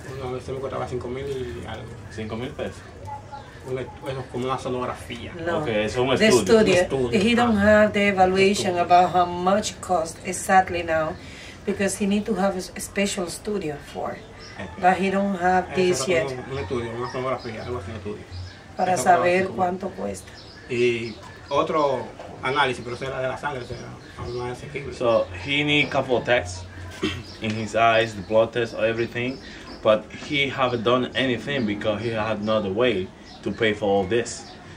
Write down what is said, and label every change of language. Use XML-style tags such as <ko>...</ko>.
<es>Una vez se me costaba 5,000 y algo. ¿5,000 pesos? Eso es como una sonografía. No. Okay, eso es un estudio. Un estudio.</es> <en>He don't have the evaluation about how much cost exactly now, because he need to have a special studio for. But he don't have this yet.</en> <es>Un estudio, una sonografía, algo así, un estudio. Para saber cuánto cuesta. Y otro análisis, pero será de la sangre, será algo más asequible.</es> <en>So, he need a couple of tests in his eyes, the blood test, everything. But he haven't done anything because he had no other way to pay for all this.</en>